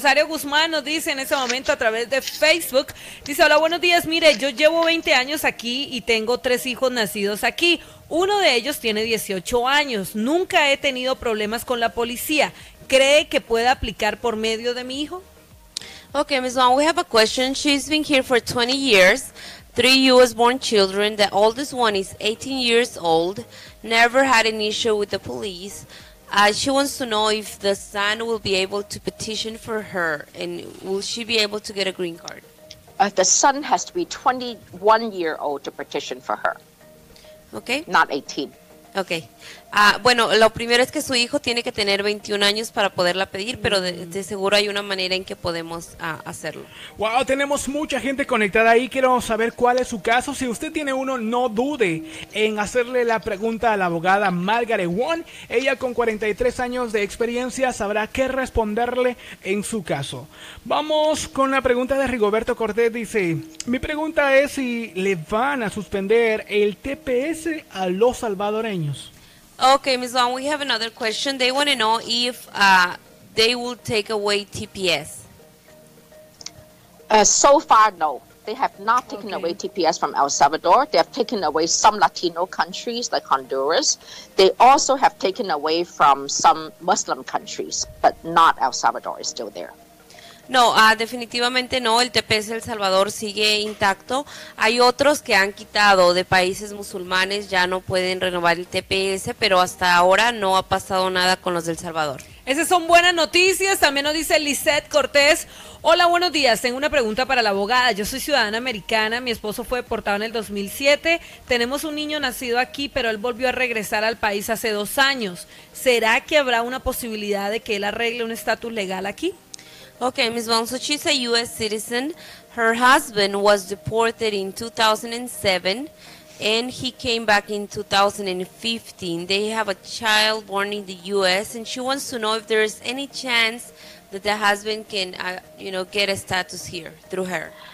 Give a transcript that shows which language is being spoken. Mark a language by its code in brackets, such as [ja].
[es] Rosario Guzmán nos dice en ese momento a través de Facebook, dice, hola, buenos días, mire, yo llevo 20 años aquí y tengo 3 hijos nacidos aquí. Uno de ellos tiene 18 años, nunca he tenido problemas con la policía. ¿Cree que puede aplicar por medio de mi hijo? [en] Okay, Ms. Wong, we have a question. She's been here for 20 years, 3 U.S.-born children. The oldest one is 18 years old, never had an issue with the police. She wants to know if the son will be able to petition for her and will she be able to get a green card? The son has to be 21 years old to petition for her. Okay. Not 18. Okay. [es] Bueno, lo primero es que su hijo tiene que tener 21 años para poderla pedir, pero de seguro hay una manera en que podemos hacerlo. Wow, tenemos mucha gente conectada ahí. Quiero saber cuál es su caso. Si usted tiene uno, no dude en hacerle la pregunta a la abogada Margaret Wong. Ella con 43 años de experiencia sabrá qué responderle en su caso. Vamos con la pregunta de Rigoberto Cortés. Dice, mi pregunta es si le van a suspender el TPS a los salvadoreños. [en] Okay, Ms. Wong, we have another question. They want to know if they will take away TPS. So far, no. They have not taken away TPS from El Salvador. They have taken away some Latino countries like Honduras. They also have taken away from some Muslim countries, but not El Salvador is still there. [es] No, definitivamente no. El TPS de El Salvador sigue intacto. Hay otros que han quitado de países musulmanes, ya no pueden renovar el TPS, pero hasta ahora no ha pasado nada con los de El Salvador. Esas son buenas noticias. También nos dice Lisette Cortés. Hola, buenos días. Tengo una pregunta para la abogada. Yo soy ciudadana americana. Mi esposo fue deportado en el 2007. Tenemos un niño nacido aquí, pero él volvió a regresar al país hace 2 años. ¿Será que habrá una posibilidad de que él arregle un estatus legal aquí? [en] Okay, Ms. Wong, so she's a U.S. citizen. Her husband was deported in 2007, and he came back in 2015. They have a child born in the U.S., and she wants to know if there is any chance that the husband can, get a status here through her.